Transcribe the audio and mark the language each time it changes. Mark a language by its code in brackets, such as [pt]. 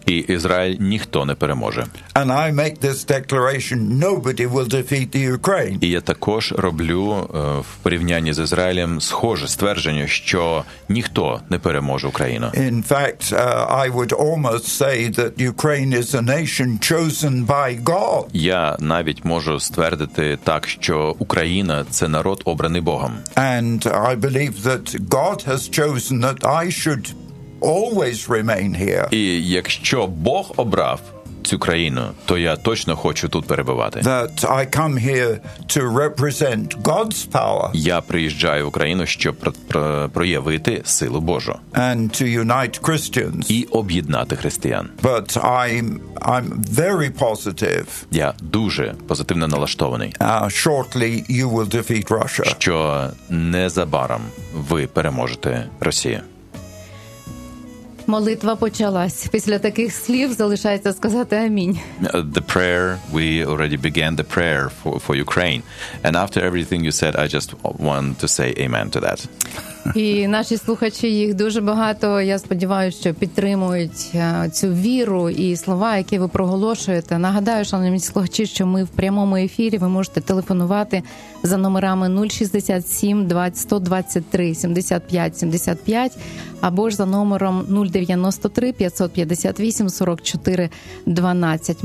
[uk] І Ізраїль ніхто не переможе. [en] And I make this declaration, nobody will defeat the Ukraine. [uk] І я також роблю в порівнянні з Ізраїлем схоже ствердження, що ніхто не переможе Україну. [en] In fact, I would almost say that Ukraine is a nation chosen by God. [uk] Я навіть можу ствердити так, що Україна це народ обраний Богом. [en] And I believe that God has chosen that I should always remain here. [uk] І якщо Бог обрав цю країну, то я точно хочу тут перебувати. [en] That I come here to represent God's power. [uk] Я приїжджаю в Україну, щоб проявити силу Божу. [en] And to unite Christians. [uk] І об'єднати християн. [en] But I'm very positive. [uk] Я дуже позитивно налаштований. [en] Shortly you will defeat Russia. [uk] Що незабаром ви переможете Росію. Молитва почалась. Після таких слів залишається сказати амінь. [en] The prayer, we already began the prayer for Ukraine. And after everything you said, I just want to say amen to that. [uk] І наші слухачі, їх дуже багато, я сподіваюся, що підтримують цю віру і слова, які ви проголошуєте. Нагадаю, шановні слухачі, що ми в прямому ефірі, ви можете телефонувати за номерами 067-123-75-75 або ж за номером 093-558-44-12.